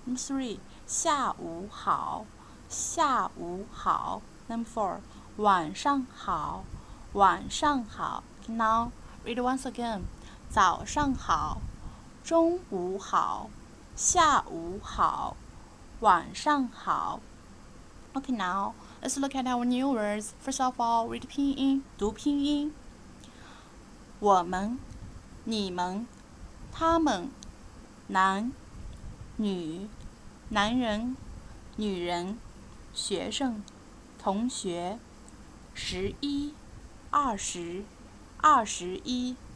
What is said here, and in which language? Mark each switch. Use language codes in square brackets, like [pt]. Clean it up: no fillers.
[en] Number three, [zh] 下午好，下午好。 [en] Number four, [zh] 晚上好，晚上好。 [en] Now, read once again. [zh] 早上好，中午好，下午好，晚上好。 [en] Okay, now, let's look at our new words. First of all, read [zh] 拼音，读拼音。我们，你们，他们，男，女，男人，女人。学生，同学，十一，二十，二十一。